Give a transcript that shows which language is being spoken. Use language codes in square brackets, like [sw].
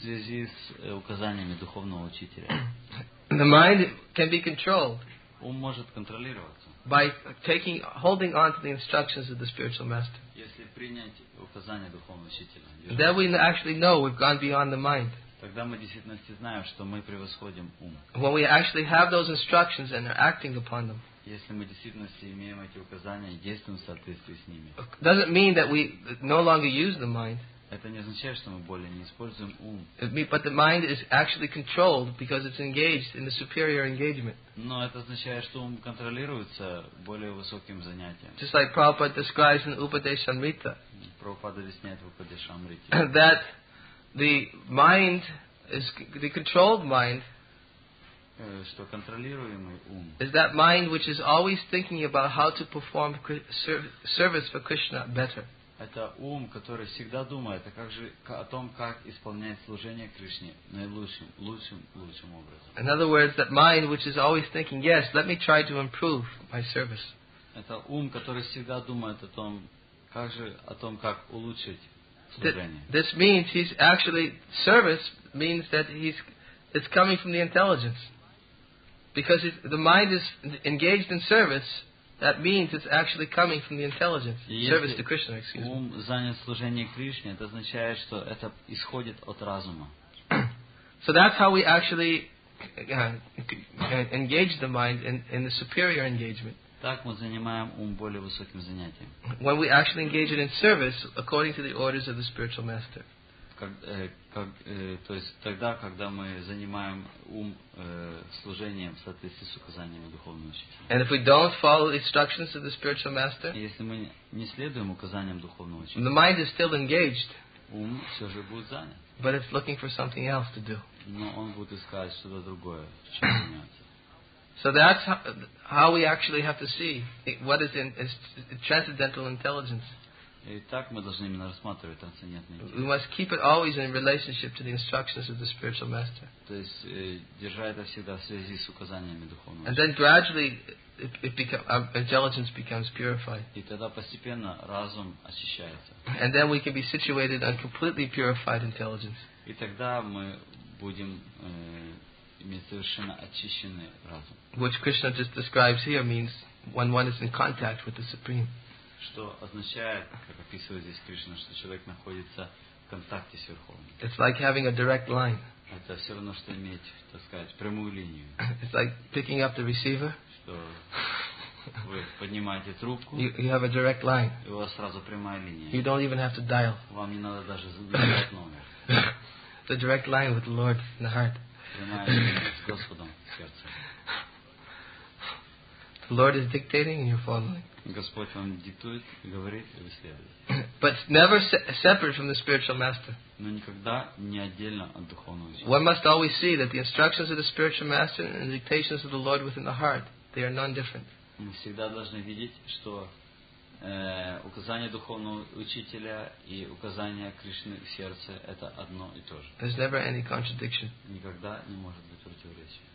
[ru] связи с указаниями духовного учителя. [en] The mind can be controlled. [ru] Ум может контролироваться. [en] By taking, holding on to the instructions of the spiritual master. [ru] Если принять указания духовного учителя. [en] Then we actually know we've gone beyond the mind. [ru] Тогда мы действительно знаем, что мы превосходим ум. [en] When we actually have those instructions and are acting upon them. [ru] Если мы действительно имеем эти указания и действуем в соответствии с ними. [en] Doesn't mean that we no longer use the mind. [ru] Это не означает, что мы более не используем ум. [en] But the mind is actually controlled because it's engaged in the superior engagement. [ru] Но это означает, что ум контролируется более высоким занятием. [en] Just like Prabhupada describes in Upadeshamrita. [ru] Прабхупада объясняет в Упадешамрите. [en] That the mind is the controlled mind. [ru] Что контролируемый ум. [en] Is that mind which is always thinking about how to perform service for Krishna better. [ru] Это ум, который всегда думает о, как же, о том, как исполнять служение Кришне наилучшим, лучшим, лучшим образом. [en] In other words, that mind which is always thinking, yes, let me try to improve my service. [ru] Это ум, который всегда думает о том, как же, о том, как улучшить служение. [en] This means he's actually, service means that it's coming from the intelligence. Because if the mind is engaged in service, that means it's actually coming from the intelligence. Service to Krishna, excuse me. [ru] Ум занят служением Кришне, это означает, что это исходит от разума. [en] So that's how we actually engage the mind in the superior engagement. [ru] Так мы занимаем ум более высоким занятием. [en] When we actually engage it in service, according to the orders of the spiritual master. [ru] То есть тогда, когда мы занимаем ум служением в соответствии с указаниями духовного учителя. [en] And if we don't follow the instructions of the spiritual master, [ru] если мы не следуем указаниям духовного учителя, [en] the mind is still engaged. [ru] Ум все же будет занят. [en] But it's looking for something else to do. [ru] Но он будет искать что-то другое, чем заняться. [en] So that's how we actually have to see what is transcendental intelligence. [ru] Итак, мы должны именно рассматривать трансцендентный интеллект. [en] We must keep it always in relationship to the instructions of the spiritual master. [ru] То есть держа это всегда в связи с указаниями духовного. [en] And then gradually, our intelligence becomes purified. [ru] И тогда постепенно разум очищается. [en] And then we can be situated on completely purified intelligence. [ru] И тогда мы будем иметь совершенно очищенный разум. [en] Which Krishna just describes here means when one is in contact with the supreme. [ru] Что означает, как описывает здесь Кришна, что человек находится в контакте с Верховным. [en] It's like having a direct line. [ru] Это все равно, что иметь, так сказать, прямую линию. [en] It's like picking up the receiver. [ru] Что вы поднимаете трубку. [en] You have a direct line. [ru] И у вас сразу прямая линия. [en] You don't even have to dial. [ru] Вам не надо даже забивать номер. [en] The direct line with the Lord in the heart. [ru] Прямая линия с Господом в сердце. [en] The Lord is dictating and you're following. [ru] Господь вам диктует, говорит и вы следуете. [en] But never separate from the spiritual master. [ru] Но никогда не отдельно от духовного учителя. [en] One must always see that the instructions of the spiritual master and the dictations of the Lord within the heart, they are non-different. [ru] Мы всегда должны видеть, что указания духовного учителя и указания Кришны в сердце это одно и то же. [en] There's never any contradiction. [ru] Никогда не может быть противоречия.